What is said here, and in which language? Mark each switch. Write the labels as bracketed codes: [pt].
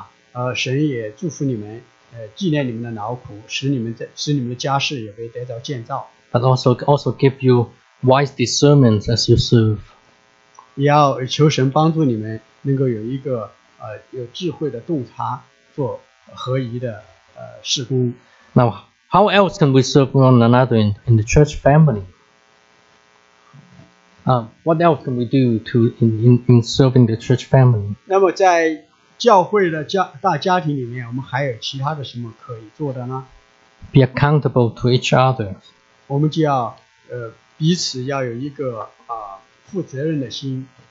[zh] 是愿神祝福你们，就像神祝福在埃及的时候的那个接生婆他们那样，神也祝福你们。纪念你们的劳苦，使你们的家世也被得到建造。 [en] But also give you wise discernment as you serve. [zh] 也要求神帮助你们能够有一个有智慧的洞察，做合宜的事工。 [en] Now, how else can we serve one another in the church family? What else can we do to in serving the church family? [zh] 那么在教会的大家庭里面, 我们还有其他的什么可以做的呢? [en] Be accountable to each other. [zh] 我们就要, 彼此要有一个, 负责任的心。